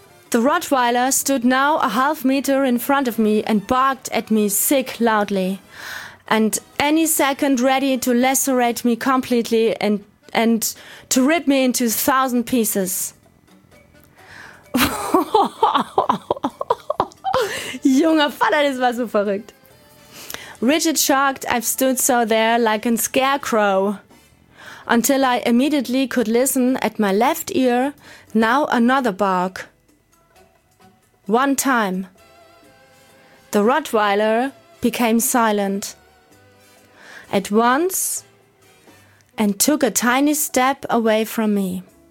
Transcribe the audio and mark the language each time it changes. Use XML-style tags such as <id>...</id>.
<en>The Rottweiler stood now a half meter in front of me and barked at me sick loudly, and any second ready to lacerate me completely and to rip me into 1,000 pieces.</en> <de>Junger Vater, das war so verrückt.</de> <en>Rigid shocked, I've stood so there like a scarecrow, until I immediately could listen at my left ear, now another bark. One time, the Rottweiler became silent at once and took a tiny step away from me.</en>